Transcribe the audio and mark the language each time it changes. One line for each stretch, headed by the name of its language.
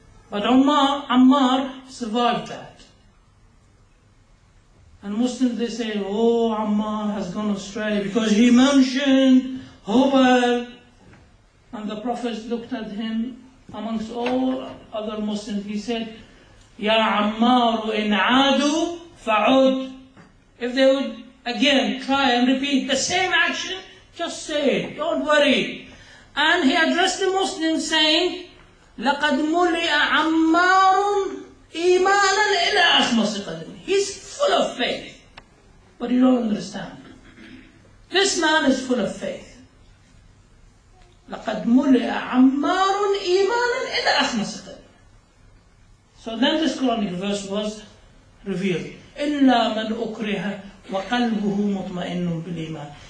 English: But Ammar survived that. And Muslims, they say, oh, Ammar has gone astray because he mentioned Hubal. And the Prophet looked at him amongst all other Muslims. He said,
Arabic: يَا عَمَّارُ إِنْ عَادُوا فَعُدْ.
English: If they would again try and repeat the same action, just say it, don't worry. And he addressed the Muslims saying,
Arabic: لَقَدْ مُلِئَ عَمَّارٌ إِيمَانًا إِلَىٰ أَخْمَصِ قَدْمٍ.
English: He's full of faith. But you don't understand. This man is full of faith.
Arabic: لَقَدْ مُلِئَ عَمَّارٌ إِيمَانًا إِلَىٰ أَخْمَصِ قَدْمٍ.
English: So then this Quranic verse was revealed.
Arabic: إِلَّا مَنْ أُكْرِهَ وَقَلْبُهُ مُطْمَئِنٌ بِالْإِيمَانِ.